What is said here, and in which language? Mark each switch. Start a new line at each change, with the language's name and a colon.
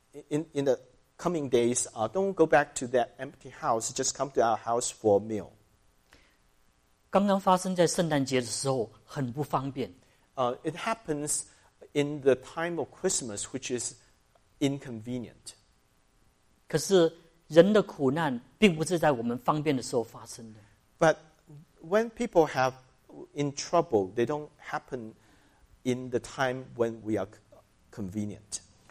English: In the coming days, don't go back to that empty house. Just come to our house for a meal.
Chinese: 刚刚发生在圣诞节的时候，很不方便。
English: It happens in the time of Christmas, which is inconvenient.
Chinese: 可是人的苦难并不是在我们方便的时候发生的。
English: But when people have in trouble, they don't happen in the time when we are convenient.